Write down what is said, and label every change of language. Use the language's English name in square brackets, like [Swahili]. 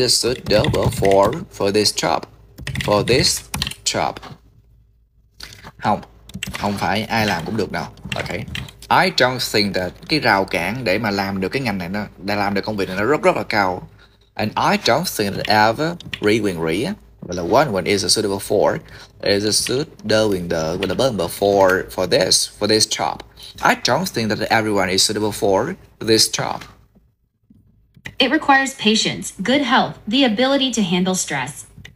[English] I don't think that everyone is suitable for this job. For this job. [Vietnamese] Không phải ai làm cũng được đâu. Okay. [English] I don't think that [Vietnamese] cái rào cản để mà làm được cái ngành này nó để làm được công việc này nó rất rất là cao. [English] And I don't think that everyone is suitable for this job. I don't think that everyone is suitable for this job. It requires patience, good health, the ability to handle stress.